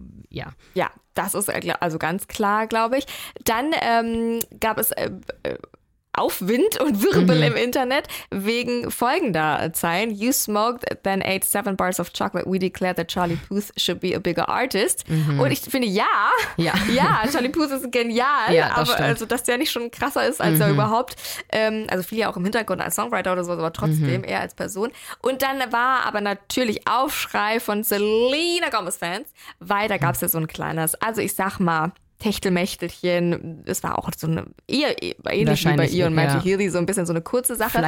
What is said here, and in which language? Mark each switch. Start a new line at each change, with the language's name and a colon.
German: Ja, das ist also ganz klar, glaube ich. Dann gab es Aufwind und Wirbel im Internet wegen folgender Zeilen.
English: You smoked, then ate 7 bars of chocolate. We declare that Charlie Puth should be a bigger artist.
German: Und ich finde, Charlie Puth ist genial. Ja, aber stimmt. Also, dass der nicht schon krasser ist als er überhaupt. Also viel ja auch im Hintergrund als Songwriter oder sowas, aber trotzdem eher als Person. Und dann war aber natürlich Aufschrei von Selena Gomez Fans, weil da gab es ja so ein kleines, also ich sag mal, Techtelmächtelchen, es war auch so eine, ähnlich wie bei ihr und Matty Healy, so ein bisschen so eine kurze Sache.